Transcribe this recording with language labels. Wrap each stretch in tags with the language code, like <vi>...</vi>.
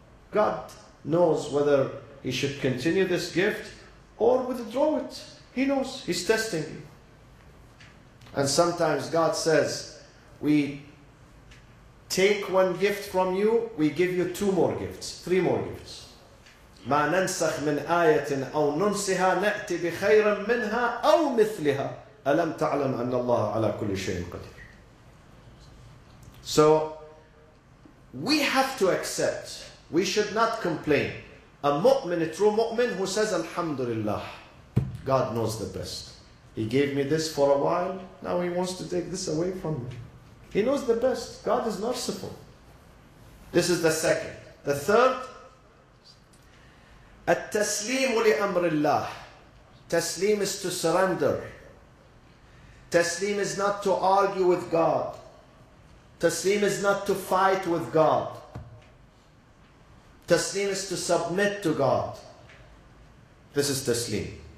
<en>God knows whether he should continue this gift or withdraw it. He knows. He's testing you. And sometimes God says, we take one gift from you, we give you two more gifts, three more gifts.</en> <ar>ما ننسخ من آية أو ننسها نأتي بخير منها أو مثلها ألم تعلم أن الله على كل شيء قدير.</ar> <en>So we have to accept. We should not complain. A mu'min, a true mu'min, who says Alhamdulillah, God knows the best. He gave me this for a while. Now he wants to take this away from me. He knows the best. God is merciful. This is the second. The third,</en> <ar>التسليم لأمر الله.</ar> <en>تسليم is to surrender. تسليم is not to argue with God. تسليم is not to fight with God. تسليم is to submit to God. This is تسليم.</en>